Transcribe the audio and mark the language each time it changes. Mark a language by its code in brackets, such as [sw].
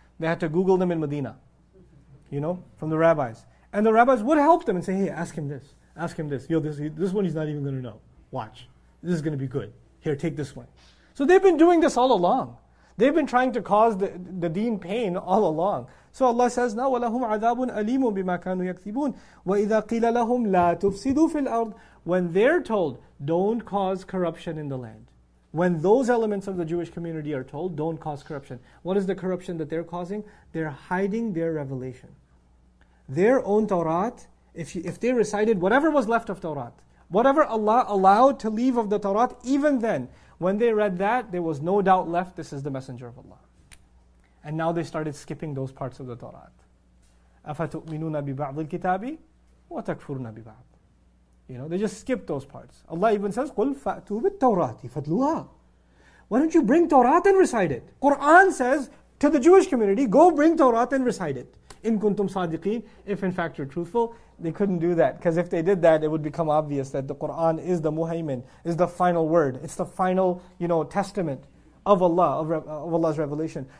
[en] They had to Google them in Medina, you know, from the rabbis. And the rabbis would help them and say, hey, ask him this. Yo, this one he's not even going to know. Watch. This is going to be good. Here, take this one. So they've been doing this all along. They've been trying to cause the deen pain all along. So Allah says, "Now [ar] وَلَهُمْ عَذَابٌ أَلِيمٌ بِمَا كَانُوا يَكْذِبُونَ وَإِذَا قِيلَ لَهُمْ لَا تُفْسِدُوا فِي الْأَرْضِ. [en] When they're told, don't cause corruption in the land. When those elements of the Jewish community are told, don't cause corruption. What is the corruption that they're causing? They're hiding their revelation. Their own Torah, if they recited whatever was left of Torah, whatever Allah allowed to leave of the Torah, even then, when they read that, there was no doubt left, this is the Messenger of Allah. And now they started skipping those parts of the Torah. [ar] أَفَتُؤْمِنُونَ بِبَعْضِ الْكِتَابِ وَتَكْفُرُونَ بِبَعْضِ. [en] You know, they just skipped those parts. Allah even says, [ar] قُلْ فَأْتُوا بِالتَّوْرَاتِ فَتْلُوهَا. [en] Why don't you bring Torah and recite it? Quran says to the Jewish community, go bring Torah and recite it. [ar] إِن كُنْتُمْ صَادِقِينَ. [en] If in fact you're truthful. They couldn't do that, because if they did that, it would become obvious that the Quran is the muhaymin, is the final word. It's the final, you know, testament of Allah, of Allah's revelation.